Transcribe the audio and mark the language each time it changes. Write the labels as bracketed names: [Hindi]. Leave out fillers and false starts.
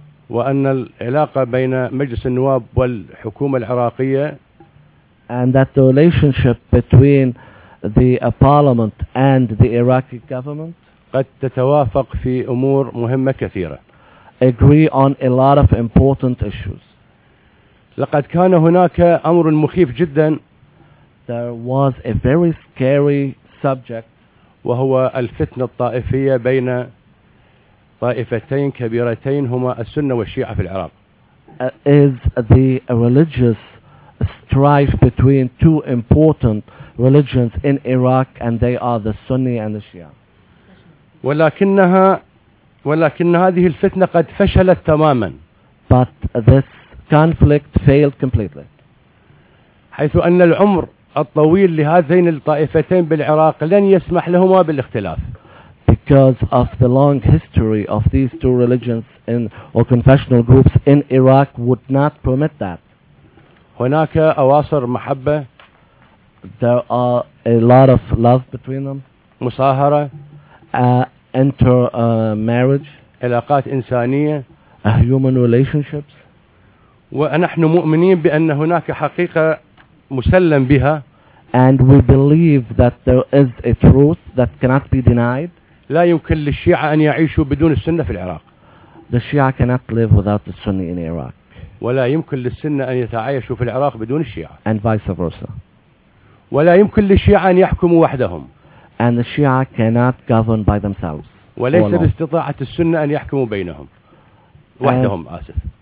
[Arabic] وأن العلاقة بين مجلس النواب والحكومة العراقية, [English] and that the relationship between the parliament and the Iraqi government, [Arabic] قد تتوافق في أمور مهمة كثيرة, [English] agree on a lot of important issues. [Arabic] لقد كان هناك أمر مخيف جدا, [English] there was a very scary subject, [Arabic] وهو الفتنة الطائفية بين طائفتين كبيرتين هما السنة والشيعة في العراق, [English] is the religious strife between two important religions in Iraq, and they are the Sunni and the Shia. [Arabic] ولكن هذه الفتنة قد فشلت تماما, [English] but this conflict failed completely, [Arabic] حيث أن العمر الطويل لهذين الطائفتين بالعراق لن يسمح لهما بالاختلاف, [English] because of the long history of these two religions in or confessional groups in Iraq would not permit that. [Arabic] هناك أواصر محبة, [English] there are a lot of love between them, [Arabic] مصاهرة, [English] intermarriage, [Arabic] علاقات إنسانية, [English] human relationships, [Arabic] ونحن مؤمنين بأن هناك حقيقة مسلم بها, [English] and we believe that there is a truth that cannot be denied. [Arabic] لا يمكن للشيعة أن يعيشوا بدون السنة في العراق, [English] the Shia cannot live without the Sunni in Iraq, [Arabic] ولا يمكن للسنة أن يتعايشوا في العراق بدون الشيعة, [English] and vice versa, [Arabic] ولا يمكن للشيعة أن يحكموا وحدهم, [English] and the Shia cannot govern by themselves, [Arabic] وليس باستطاعة السنة أن يحكموا بينهم وحدهم, آسف,